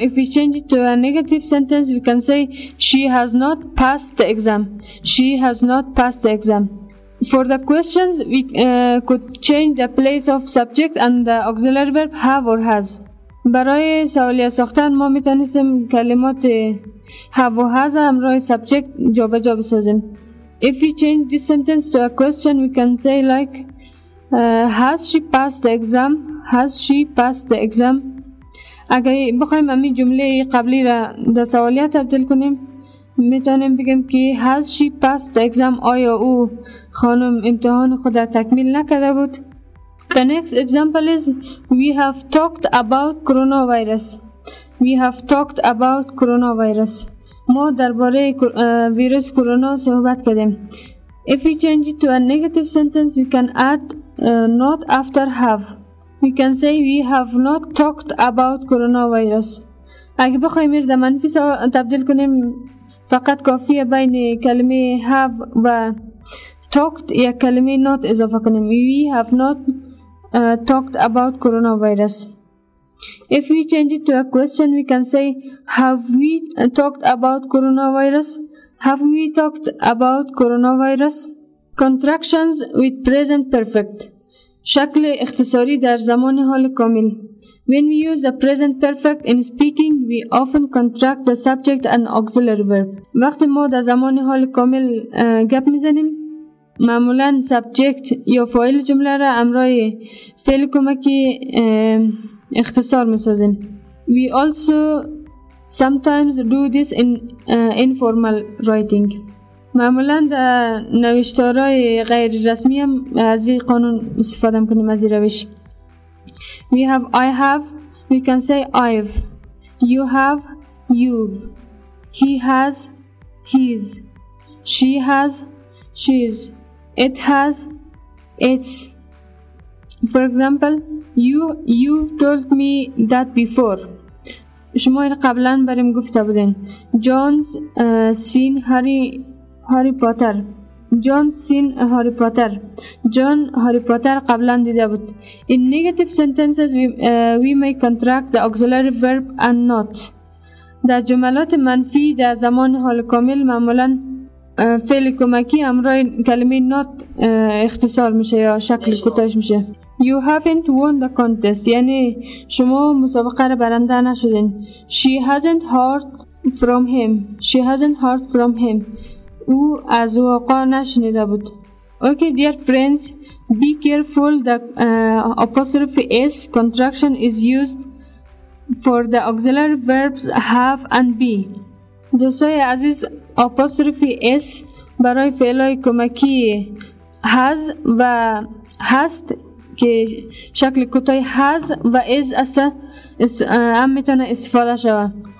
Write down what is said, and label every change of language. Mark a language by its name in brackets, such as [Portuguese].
[English] If we change it to a negative sentence, we can say she has not passed the exam. She has not passed the exam. For the questions, we could change the place of subject and the auxiliary verb have or has. [Persian] برای سوالیه ساختن ما میتونیم کلمات have و has همراه subject جابجا بسازیم. [English] If we change this sentence to a question, we can say like has she passed the exam? Has she passed the exam? [Persian] اگه بخوایم همین جمله قبلی را در سوالیه تبدیل کنیم میتونیم بگیم که [English] has she passed the exam؟ [Persian] آیا او خانم امتحان خود را تکمیل نکرده بود؟ [English] The next example is we have talked about coronavirus. We have talked about coronavirus. [Persian] ما درباره ویروس کرونا صحبت کردیم. [English] If we change it to a negative sentence we can add not after have. We can say we have not talked about coronavirus. [Persian] اگه بخوایم این رو منفی تبدیل کنیم فقط کافیه بین کلمه have و talked یا کلمه not اضافه کنیم. [English] We have not talked about coronavirus. If we change it to a question we can say have we talked about coronavirus? Have we talked about coronavirus? Contractions with present perfect. [Persian] شکل اختصاری در زمان حال کامل. [English] When we use the present perfect in speaking, we often contract the subject and auxiliary verb. [Persian] وقتی ما در زمان حال کامل گپ میزنیم، معمولاً subject یا فاعل جمله را امرای فعل کمکی اختصار میسازیم. [English] We also sometimes do this in informal writing. [Persian] معمولا در نوشتارهای غیر رسمی هم از این قانون استفاده میکنیم از این روش. [English] We have, I have, we can say I've. You have, you've. He has, his. She has, she's. It has, it's. For example, you've told me that before. [Persian] شما این قبلا بریم گفته بودین. [English] John's seen Harry Potter. John's seen Harry Potter. John Harry Potter [Persian] قبلا دیده بود. [English] In negative sentences, we may contract the auxiliary verb and not. [Persian] در جملات منفی در زمان حال کامل معمولا فعل کمکی همراه کلمه not اختصار میشه یا شکل کوتاهش میشه. [English] You haven't won the contest. [Persian] یعنی شما مسابقه را برنده نشدین. [English] She hasn't heard from him. She hasn't heard from him. [Persian] او از او آقا نشنیده بود. [English] Okay, dear friends, be careful. The apostrophe S contraction is used for the auxiliary verbs have and be. [Persian] دوستای عزیز، apostrophe S برای فعلای کمکی has و hast که شکل کوتاه has و is است هم میتونه استفاده شود.